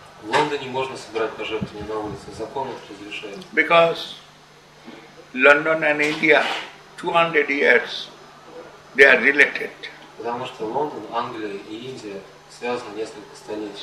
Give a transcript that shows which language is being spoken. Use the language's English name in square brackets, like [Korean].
[Russian] В Лондоне можно собирать пожертвования на улице, закон это разрешает. [English] Because London and India, 200 years, they are related. [Russian] Потому что Лондон, Англия и Индия связаны несколько столетий.